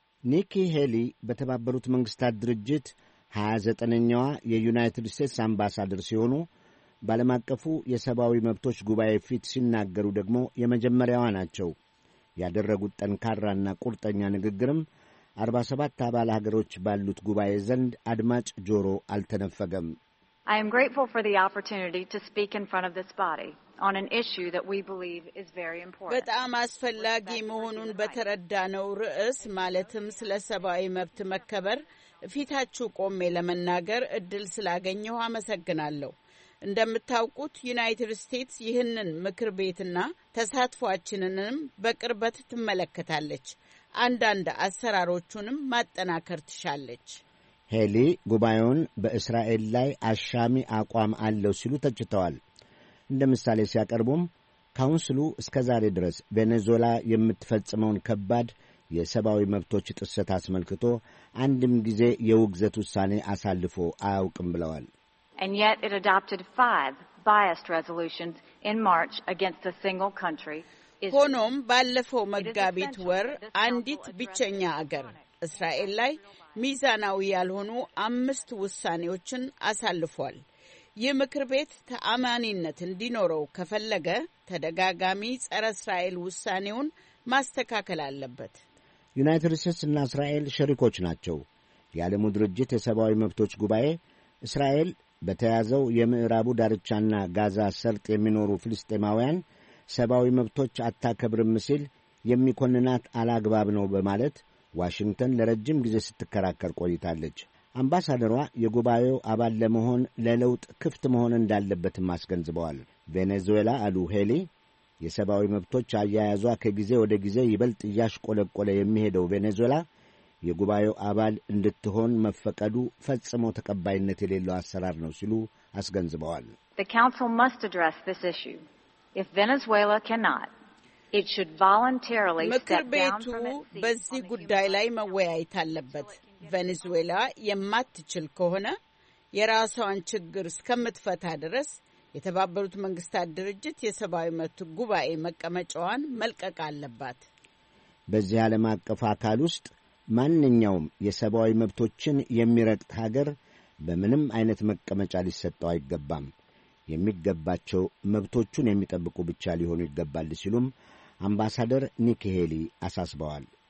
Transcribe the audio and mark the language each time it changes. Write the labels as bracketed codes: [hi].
[am] ኒኪ ሄሊ በተባበሩት መንግሥታት ድርጅት 29ኛዋ የዩናይትድ ስቴትስ አምባሳደር ሲሆኑ በዓለም አቀፉ የሰብአዊ መብቶች ጉባኤ ፊት ሲናገሩ ደግሞ የመጀመሪያዋ ናቸው። ያደረጉት ጠንካራና ቁርጠኛ ንግግርም 47 አባል ሀገሮች ባሉት ጉባኤ ዘንድ አድማጭ ጆሮ አልተነፈገም። [en] I am grateful for the opportunity to speak in front of this body on an issue that we believe is very important. [am] በጣም አስፈላጊ መሆኑን በተረዳነው ርዕስ ማለትም ስለ ሰብአዊ መብት መከበር ፊታችሁ ቆሜ ለመናገር እድል ስላገኘሁ አመሰግናለሁ። እንደምታውቁት ዩናይትድ ስቴትስ ይህንን ምክር ቤትና ተሳትፏችንንም በቅርበት ትመለከታለች። አንዳንድ አሰራሮቹንም ማጠናከር ትሻለች። ሄሊ ጉባኤውን በእስራኤል ላይ አሻሚ አቋም አለው ሲሉ ተችተዋል። እንደ ምሳሌ ሲያቀርቡም ካውንስሉ እስከ ዛሬ ድረስ ቬኔዙዌላ የምትፈጽመውን ከባድ የሰብአዊ መብቶች ጥሰት አስመልክቶ አንድም ጊዜ የውግዘት ውሳኔ አሳልፎ አያውቅም ብለዋል። [en] And yet it adopted 5 biased resolutions in March against a single country. [am] ሆኖም ባለፈው መጋቢት ወር አንዲት ብቸኛ አገር እስራኤል ላይ ሚዛናዊ ያልሆኑ 5 ውሳኔዎችን አሳልፏል። የምክር ቤት ተአማኒነት እንዲኖረው ከፈለገ ተደጋጋሚ ጸረ እስራኤል ውሳኔውን ማስተካከል አለበት። ዩናይትድ ስቴትስ እና እስራኤል ሸሪኮች ናቸው። የዓለሙ ድርጅት የሰብአዊ መብቶች ጉባኤ እስራኤል በተያዘው የምዕራቡ ዳርቻና ጋዛ ሰርጥ የሚኖሩ ፍልስጤማውያን ሰብአዊ መብቶች አታከብርም ሲል የሚኮንናት አላግባብ ነው በማለት ዋሽንግተን ለረጅም ጊዜ ስትከራከር ቆይታለች። አምባሳደሯ የጉባኤው አባል ለመሆን ለለውጥ ክፍት መሆን እንዳለበትም አስገንዝበዋል። ቬኔዙዌላ አሉ ሄሊ፣ የሰብአዊ መብቶች አያያዟ ከጊዜ ወደ ጊዜ ይበልጥ እያሽቆለቆለ የሚሄደው ቬኔዙዌላ የጉባኤው አባል እንድትሆን መፈቀዱ ፈጽሞ ተቀባይነት የሌለው አሰራር ነው ሲሉ አስገንዝበዋል። [en] The council must address this issue. If Venezuela cannot, it should voluntarily step down from its seat. [am] በዚህ ጉዳይ ላይ መወያየት አለበት። ቬኔዙዌላ የማትችል ከሆነ የራሷን ችግር እስከምትፈታ ድረስ የተባበሩት መንግስታት ድርጅት የሰብአዊ መብት ጉባኤ መቀመጫዋን መልቀቅ አለባት። በዚህ ዓለም አቀፍ አካል ውስጥ ማንኛውም የሰብአዊ መብቶችን የሚረግጥ ሀገር በምንም አይነት መቀመጫ ሊሰጠው አይገባም። የሚገባቸው መብቶቹን የሚጠብቁ ብቻ ሊሆኑ ይገባል ሲሉም አምባሳደር ኒኪ ሄሊ አሳስበዋል።